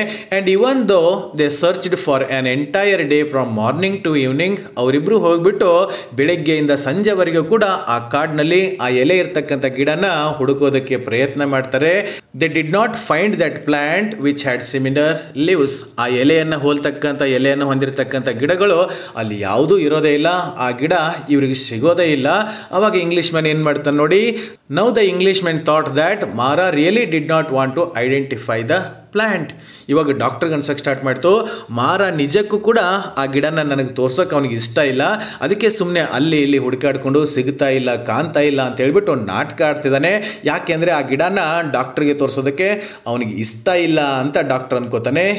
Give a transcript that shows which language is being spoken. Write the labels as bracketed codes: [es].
[en] and even though they searched for an entire day from morning to evening, [kn] ಅವರಿಬ್ಬರು ಹೋಗಿಬಿಟ್ಟು ಬೆಳಗ್ಗೆಯಿಂದ ಸಂಜೆವರೆಗೂ ಕೂಡ ಆ ಕಾಡಿನಲ್ಲಿ ಆ ಎಲೆ ಇರತಕ್ಕಂಥ ಗಿಡನ ಹುಡುಕೋದಕ್ಕೆ ಪ್ರಯತ್ನ ಮಾಡ್ತಾರೆ. [en] They did not find that plant which had similar leaves. [kn] ಆ ಎಲೆಯನ್ನು ಹೋಲ್ತಕ್ಕಂಥ, ಎಲೆಯನ್ನು ಹೊಂದಿರತಕ್ಕಂಥ ಗಿಡಗಳು ಅಲ್ಲಿ ಯಾವುದೂ ಇರೋದೇ ಇಲ್ಲ, ಆ ಗಿಡ ಇವರಿಗೆ ಸಿಗೋದೇ ಇಲ್ಲ. ಅವಾಗ ಇಂಗ್ಲಿಷ್ ಮ್ಯಾನ್ ಏನು ಮಾಡ್ತಾನೆ ನೋಡಿ, [en] Now the Englishman thought that Mara really did not want to identify the plant. [kn] ಇವಾಗ ಡಾಕ್ಟರ್ ಕನ್ಸಕ್ ಸ್ಟಾರ್ಟ್ ಮಾಡ್ತು, ಮಾರ ನಿಜಕ್ಕೂ ಕೂಡ ಆ ಗಿಡನ ನನಗೆ ತೋರ್ಸೋಕೆ ಅವನಿಗೆ ಇಷ್ಟ ಇಲ್ಲ, ಅದಕ್ಕೆ ಸುಮ್ಮನೆ ಅಲ್ಲಿ ಇಲ್ಲಿ ಹುಡುಕಾಡಿಕೊಂಡು ಸಿಗ್ತಾ ಇಲ್ಲ ಕಾಣ್ತಾ ಇಲ್ಲ ಅಂತ ಹೇಳ್ಬಿಟ್ಟು ಅವ್ನು ನಾಟಕ ಆಡ್ತಿದ್ದಾನೆ. ಯಾಕೆಂದರೆ ಆ ಗಿಡನ ಡಾಕ್ಟರ್ಗೆ ತೋರಿಸೋದಕ್ಕೆ ಅವನಿಗೆ ಇಷ್ಟ ಇಲ್ಲ ಅಂತ ಡಾಕ್ಟರ್ ಅನ್ಕೋತಾನೆ.